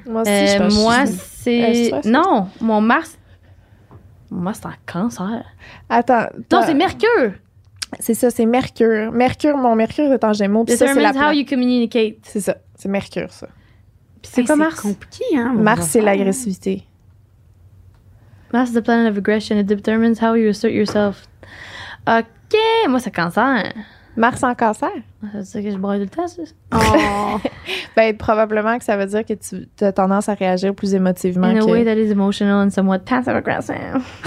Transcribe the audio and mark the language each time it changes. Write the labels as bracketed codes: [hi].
[fr] Moi aussi, je pense que c'est. Non, mon Mars. Mon Mars, c'est en cancer. Attends. Non, c'est Mercure. C'est ça, c'est Mercure. Mercure, mon Mercure est en Gémeaux. Puis ça, c'est [en] how you communicate. [fr] C'est ça, c'est Mercure, ça. Puis c'est quoi Mars? C'est compliqué, hein? Mars, c'est l'agressivité. [en] Mars is the planet of aggression. It determines how you assert yourself. [fr] OK! Moi, c'est Cancer. Mars en Cancer? Ça veut dire que je braille tout le temps, ça? Oh! Ben, probablement que ça veut dire que tu as tendance à réagir plus émotivement. [en] In [fr] que... [en] a way that is emotional and somewhat passive aggressive.